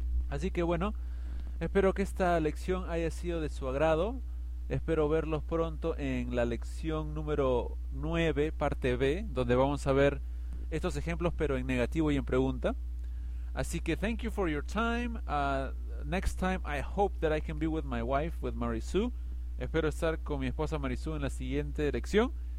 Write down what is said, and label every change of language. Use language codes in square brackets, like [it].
[es] Así que bueno, espero que esta lección haya sido de su agrado. Espero verlos pronto en la lección número 9, parte B, donde vamos a ver estos ejemplos, pero en negativo y en pregunta. Así que [en] thank you for your time. Next time I hope that I can be with my wife, with Marisú. [es] Espero estar con mi esposa Marisú en la siguiente lección.